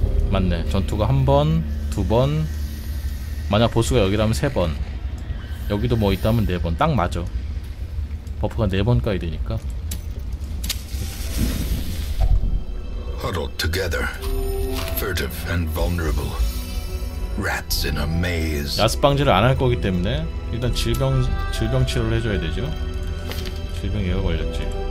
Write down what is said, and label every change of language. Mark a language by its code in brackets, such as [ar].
[ko] 맞네. 전투가 한 번, 두 번. 만약 보스가 여기라면 세 번. 여기도 뭐 있다면 네 번. 딱 맞아. 버프가 네 번까지 되니까. [en] Huddled together, furtive and vulnerable, rats in a maze. [ko] 야스방지를 안 할 거기 때문에 일단 질병 치료를 해줘야 되죠. 질병 얘가 걸렸지.